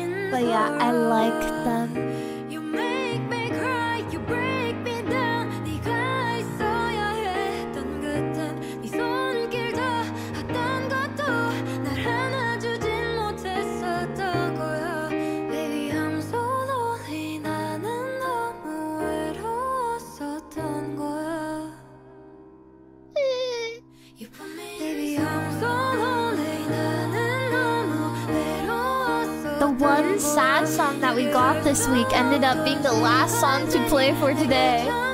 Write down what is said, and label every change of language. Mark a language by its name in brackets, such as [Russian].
[English] But yeah, I like them. You make me cry, you break me down. [Korean] 네가 있어야 했던 그땐 네 손길 다 했던 것도 날 안아주지 못했었던 거야. [English] Baby, I'm so lonely. [Korean] 나는 너무 외로웠었던 거야. [English] You put me in. Baby, I'm so lonely. [Korean] 나는 너무 외로웠었던 거야. [English] Sad song that we got this week ended up being the last song to play for today.